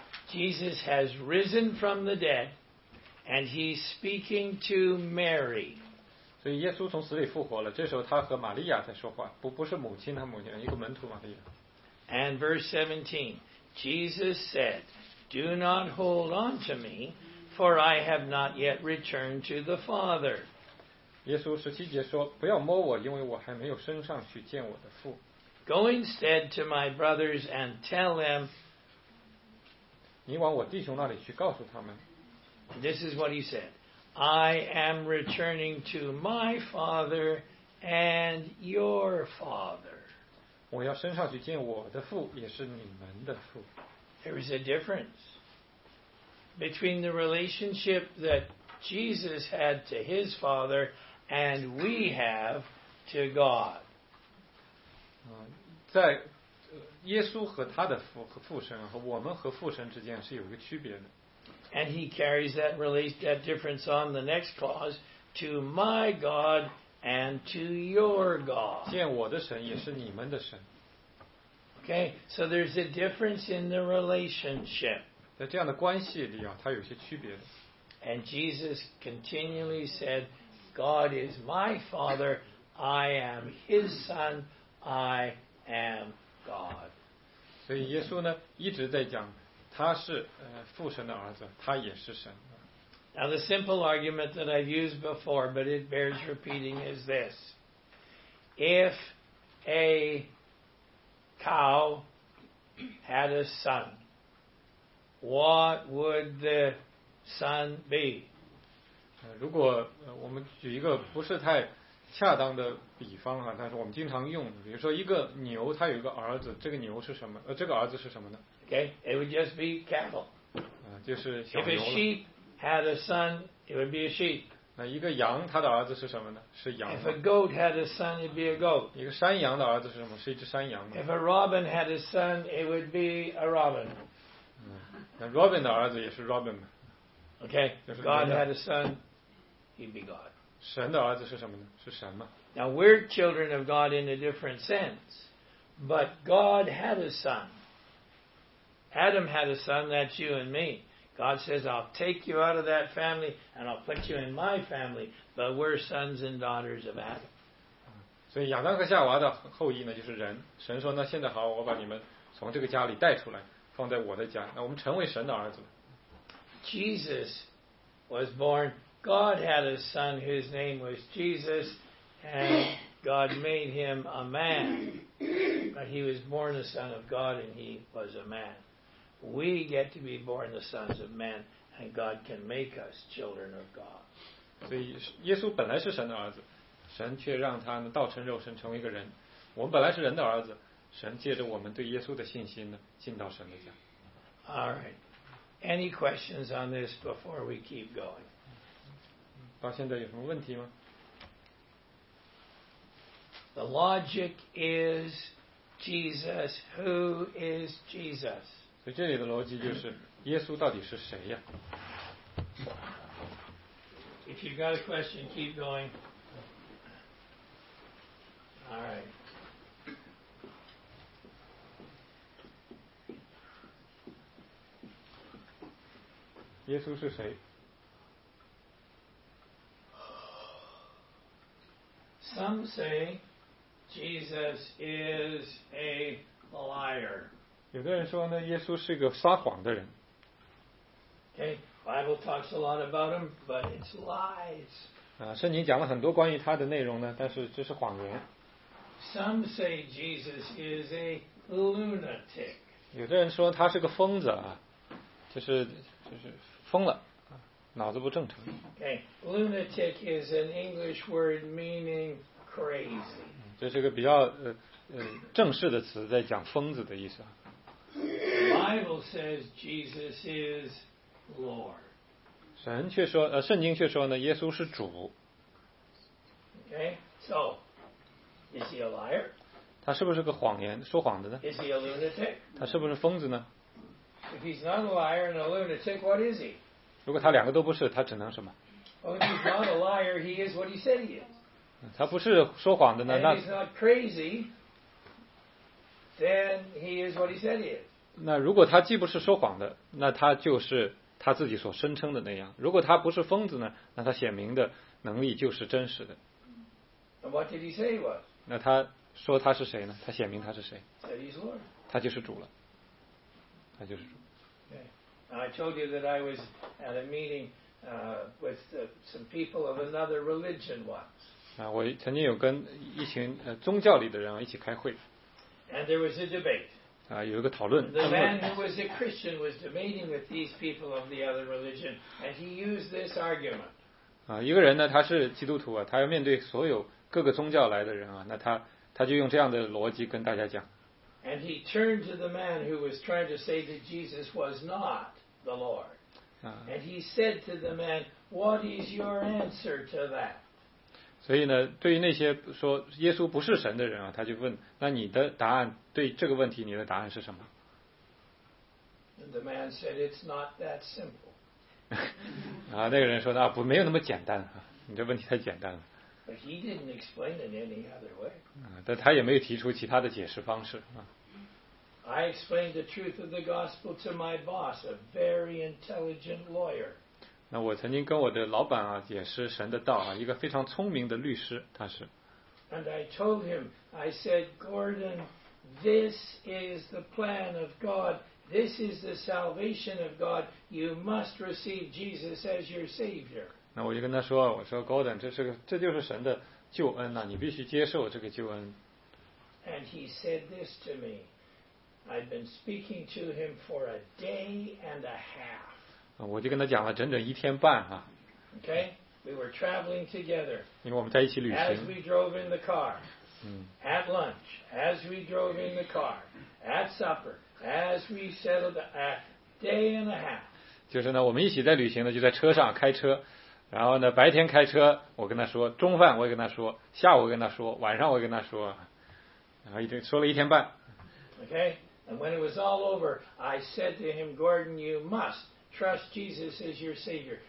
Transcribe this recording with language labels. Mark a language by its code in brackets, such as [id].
[en] Jesus has risen from the dead, and he's speaking to Mary. [zh] 所以耶稣从死里复活了，这时候他和玛利亚在说话，不是母亲，他母亲一个门徒玛利亚。 [en] And verse 17, Jesus said, "Do not hold on to me, for I have not yet returned to the Father." [zh] 耶稣十七节说，不要摸我，因为我还没有升上去见我的父。 [en] Go instead to my brothers and tell them. [zh] 你往我弟兄那里去告诉他们。 [en] This is what he said. I am returning to my father and your father. [zh] 我要升上去见我的父，也是你们的父。 [en] There is a difference between the relationship that Jesus had to his father and we have to God. [zh] 在耶稣和他的父和父神和我们和父神之间是有一个区别的。 [en] And he carries that difference on the next clause, to my God and to your God. [zh] 见我的神也是你们的神。 [en] Okay, so there's a difference in the relationship. [zh] 在这样的关系里啊，它有些区别的。 [en] And Jesus continually said, God is my Father, I am his Son, I am God. [zh] 所以耶稣呢，一直在讲，他是父神的儿子，他也是神。 [en] Now the simple argument that I've used before, but it bears repeating, is this. If a cow had a son, what would the son be? [zh] 如果我们举一个不是太恰当的比方啊，但是我们经常用，比如说一个牛，它有一个儿子，这个牛是什么？这个儿子是什么呢？ [en] Okay, it would just be cattle. [zh] 就是小牛了。 [en] If a sheep had a son, it would be a sheep. [zh] 那一个羊，它的儿子是什么呢？是羊。 [en] If a goat had a son, it'd be a goat. [zh] 一个山羊的儿子是什么？是一只山羊。 [en] If a robin had a son, it would be a robin. [zh] 那 robin 的儿子也是 robin 嘛。 [en] Okay, God had a son, he'd be God. [zh] 神的儿子是什么呢？是神吗？ [en] Now we're children of God in a different sense, but God had a son. Adam had a son, that's you and me. God says, I'll take you out of that family and I'll put you in my family, but we're sons and daughters of Adam. [zh] 所以亚当和夏娃的后裔呢，就是人。神说呢，现在好，我把你们从这个家里带出来，放在我的家，那我们成为神的儿子。 [en] Jesus was born. God had a son whose name was Jesus, and God made him a man. But he was born the son of God, and he was a man. We get to be born the sons of men, and God can make us children of God. [zh] 所以耶稣本来是神的儿子，神却让他呢道成肉身成为一个人。我们本来是人的儿子，神借着我们对耶稣的信心呢进到神的家。 [en] All right. Any questions on this before we keep going? [zh] 到现在有什么问题吗？ [en] The logic is Jesus. Who is Jesus? [zh] 所以这里的逻辑就是耶稣到底是谁呀？ [en] If you've got a question, keep going. All right. [zh] 耶稣是谁？ [en] Some say Jesus is a liar. [zh] 有的人说呢，耶稣是个撒谎的人。 [en] Okay, Bible talks a lot about him, but it's lies. [zh] 圣经讲了很多关于他的内容呢，但是这是谎言。 [en] Some say Jesus is a lunatic. [zh] 有的人说他是个疯子啊，就是。疯了，脑子不正常。 [en] Okay, lunatic is an English word meaning crazy. [zh] 这是个比较正式的词，在讲疯子的意思。 [en] Bible says Jesus is Lord. [zh] 神却说，圣经却说呢，耶稣是主。 [en] Okay, so is he a liar? [zh] 他是不是个谎言，说谎的呢？ [en] Is he a lunatic? [zh] 他是不是疯子呢？ [en] If he's not a liar and a lunatic, what is he? [zh] 如果他两个都不是，他只能什么？ [en] Well, if he's not a liar, he is what he said he is. [zh] 他不是说谎的呢？ [en] And if he's not crazy, then he is what he said he is. [zh] 那如果他既不是说谎的，那他就是他自己所声称的那样。如果他不是疯子呢，那他显明的能力就是真实的。 [en] And what did he say he was? [zh] 那他说他是谁呢？他显明他是谁？ [en] That he's Lord. [zh] 他就是主了。 [en] Okay. I told you that I was at a meeting with some people of another religion once. [zh] 我曾经有跟一群宗教里的人一起开会。 [en] And there was a debate. [zh] 有一个讨论。 [en] The man who was a Christian was debating with these people of the other religion, and he used this argument. [zh] 一个人呢，他是基督徒啊，他要面对所有各个宗教来的人啊，那他就用这样的逻辑跟大家讲。 [en] And he turned to the man who was trying to say that Jesus was not the Lord. And he said to the man, "What is your answer to that?" [zh] 所以呢，对于那些说耶稣不是神的人啊，他就问，那你的答案对这个问题，你的答案是什么？ [en] And the man said, "It's not that simple." [zh] 那个人说，那不没有那么简单啊。你这问题太简单了。 [en] But he didn't explain it any other way. [zh] 但他也没有提出其他的解释方式。 [en] I explained the truth of the gospel to my boss, a very intelligent lawyer. [zh] 那我曾经跟我的老板啊解释神的道啊，一个非常聪明的律师，他是。 [en] And I told him, I said, Gordon, this is the plan of God. This is the salvation of God. You must receive Jesus as your Savior. [zh] 那我就跟他说，我说 Gordon, 这就是神的救恩呐，你必须接受这个救恩。 [en] And he said this to me. I've been speaking to him for a day and a half. [zh] 我就跟他讲了整整一天半啊。 [en] Okay. We were traveling together. [zh] 因为我们在一起旅行。 [en] As we drove in the car,、嗯、 at lunch, as we drove in the car, at supper, as we settled at day and a half. [zh] 就是呢，我们一起在旅行呢，就在车上开车，然后呢，白天开车，我跟他说，中饭我也跟他说，下午我跟他说，晚上我也跟他说，然后一直说了一天半。 [en] Okay, and when it was all over, I said to him, Gordon, you must trust Jesus as your Savior.